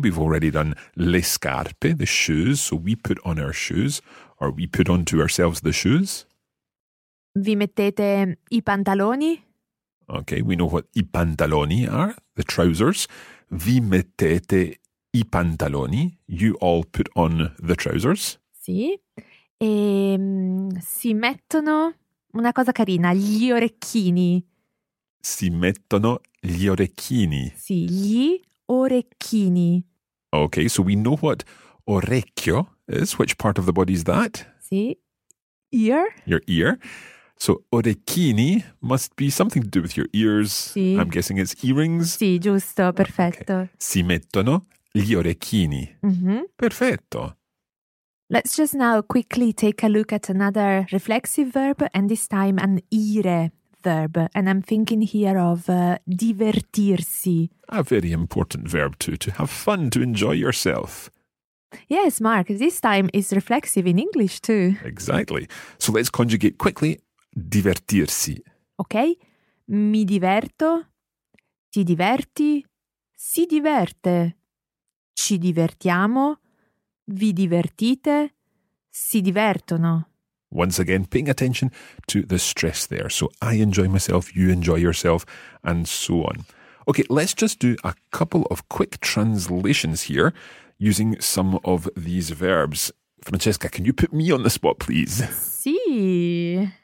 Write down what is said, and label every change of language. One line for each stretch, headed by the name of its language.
English: We've already done
Italian: le scarpe,
English: the shoes. So we put on our shoes, or we put on to ourselves the shoes.
Italian: Vi mettete i pantaloni. Okay, we know what i pantaloni are, the trousers. Vi mettete i pantaloni.
English: You all put on the trousers.
Italian: Sì. E si mettono, una cosa carina, gli orecchini. Si mettono gli orecchini. Sì, gli orecchini.
English: Okay, so we know what orecchio is. Which part of the body is that? Sì, ear. Your ear. So orecchini must be something to do with your ears.
Italian: Sì.
English: I'm guessing it's earrings.
Italian: Sì, giusto, perfetto. Okay. Si mettono gli orecchini. Mm-hmm. Perfetto.
English: Let's just now quickly take a look at another reflexive verb, and this time an ire verb. And I'm thinking here of divertirsi. A very important verb too, to have fun, to enjoy yourself. Yes, Mark, this time is reflexive in English too. Exactly. So let's conjugate quickly. Divertirsi. Okay.
Italian: mi diverto, ti diverti, si diverte, ci divertiamo, vi divertite, si divertono.
English: Once again, paying attention to the stress there. So I enjoy myself, you enjoy yourself, and so on. Okay, let's just do a couple of quick translations here using some of these verbs. Francesca, can you put me on the spot, please?
Italian: Sì.